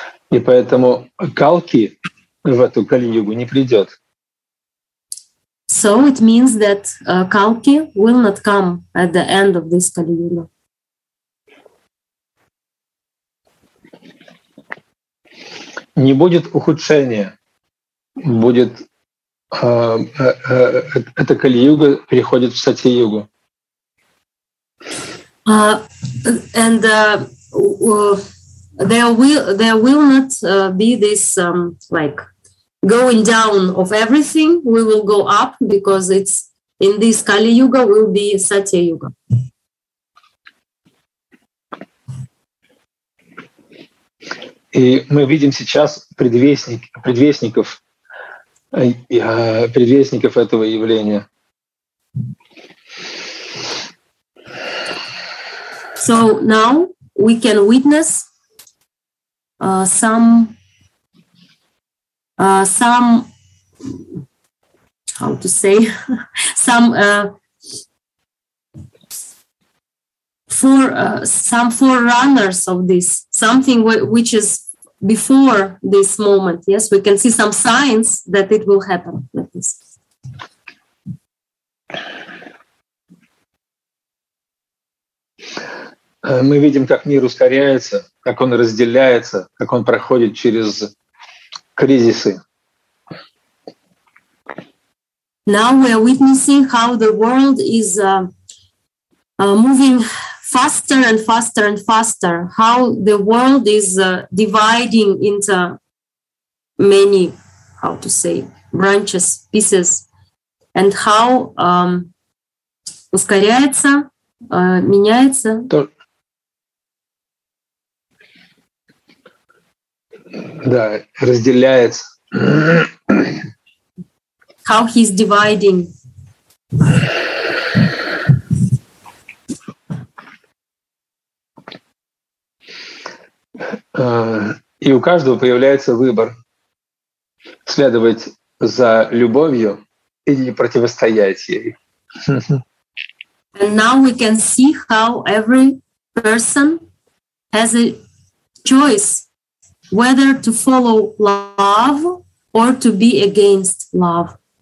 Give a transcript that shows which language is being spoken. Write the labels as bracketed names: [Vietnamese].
[Russian] И поэтому Калки в эту Кали-Югу не придет. [English] So it means that Kalki will not come at the end of this Kali Yuga. [Russian] Не будет ухудшения. Будет эта Кали Юга переходит в Сати Югу. [English] There will not be this going down of everything, we will go up, because it's in this Kali Yuga will be Satya Yuga. [Russian] И мы видим сейчас предвестников этого явления. [English] So now we can witness some forerunners of this, something which is before this moment. Yes, we can see some signs that it will happen like this. [Russian] Мы видим, как мир ускоряется, как он разделяется, как он проходит через кризисы. [English] Now we are witnessing how the world is moving faster and faster and faster. How the world is dividing into many, how to say, branches, pieces, and how [Russian] ускоряется, меняется. Да, разделяется. [English] How he's dividing. [Russian] И у каждого появляется выбор следовать за любовью или противостоять ей. [English] And now we can see how every person has a choice whether to follow love or to be against love.